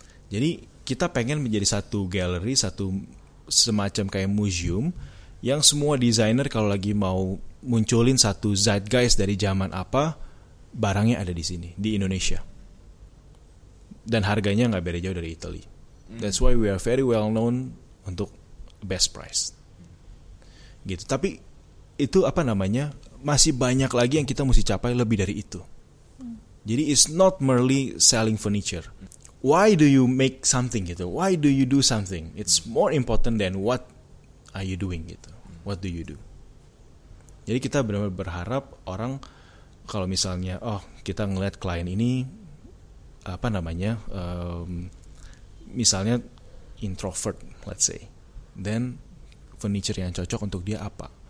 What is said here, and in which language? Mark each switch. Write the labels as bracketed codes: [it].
[id] Jadi kita pengen menjadi satu gallery, satu semacam kayak museum yang semua desainer kalau lagi mau munculin satu zeitgeist dari zaman apa, barangnya ada di sini di Indonesia. Dan harganya enggak beda jauh dari Italy. [en] That's why we are very well known untuk best price. [id] Gitu. Tapi itu apa namanya? Masih banyak lagi yang kita mesti capai lebih dari itu. [en] Jadi it's not merely selling furniture. Why do you make something gitu? Why do you do something? It's more important than what are you doing gitu. What do you do? [id] Jadi kita benar-benar berharap orang kalau misalnya oh, kita ngelihat klien ini apa namanya? Misalnya introvert, [en] let's say. [id] Then furniture yang cocok untuk dia apa?